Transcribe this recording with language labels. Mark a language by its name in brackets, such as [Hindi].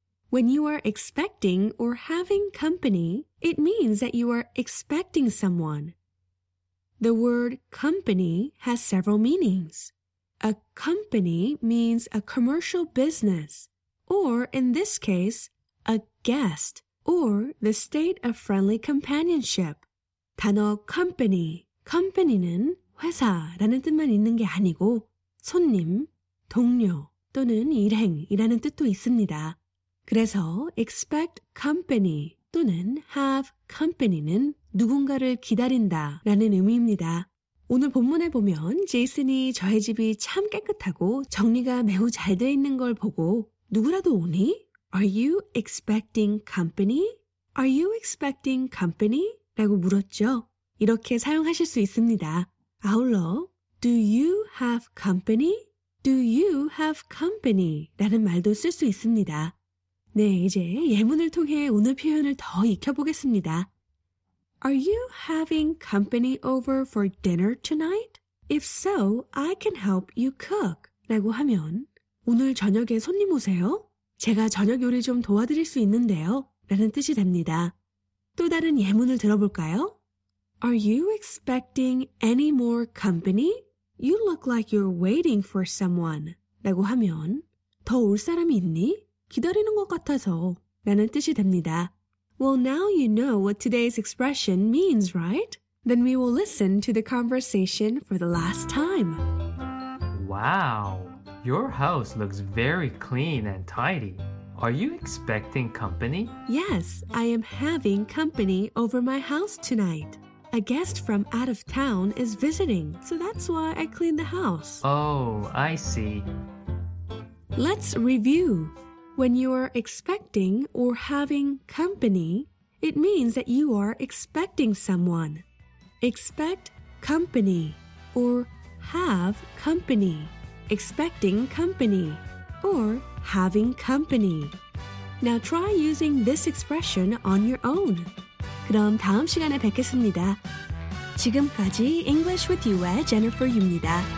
[English] When you are expecting or having company, it means that you are expecting someone. The word company has several meanings. A company means a commercial business, or in this case, a guest, or the state of friendly companionship. [Korean] 단어 company, company는 회사라는 뜻만 있는 게 아니고 손님, 동료 또는 일행이라는 뜻도 있습니다. 그래서 expect company 또는 have company는 누군가를 기다린다 라는 의미입니다. 오늘 본문에 보면 제이슨이 저의 집이 참 깨끗하고 정리가 매우 잘 돼 있는 걸 보고 누구라도 오니? [English] Are you expecting company? Are you expecting company? [Korean] 라고 물었죠. 이렇게 사용하실 수 있습니다. 아울러 [English] Do you have company? Do you have company? [Korean] 라는 말도 쓸 수 있습니다. 네, 이제 예문을 통해 오늘 표현을 더 익혀보겠습니다. [English] Are you having company over for dinner tonight? If so, I can help you cook. [Korean] 라고 하면 오늘 저녁에 손님 오세요? 제가 저녁 요리 좀 도와드릴 수 있는데요. 라는 뜻이 됩니다. 또 다른 예문을 들어볼까요? [English] Are you expecting any more company? You look like you're waiting for someone. [Korean] 라고 하면 더 올 사람이 있니? 기다리는 것 같아서 라는 뜻이 됩니다. [English] Well, now you know what today's expression means, right? Then we will listen to the conversation for the last time. Wow, your house looks very clean and tidy. Are you expecting company? Yes, I am having company over my house tonight. A guest from out of town is visiting, so that's why I cleaned the house. Oh, I see. Let's review. When you are expecting or having company, it means that you are expecting someone. Expect company or have company. Expecting company or having company. Now try using this expression on your own. [Korean] 그럼 다음 시간에 뵙겠습니다. 지금까지 English with You의 Jennifer 유입니다.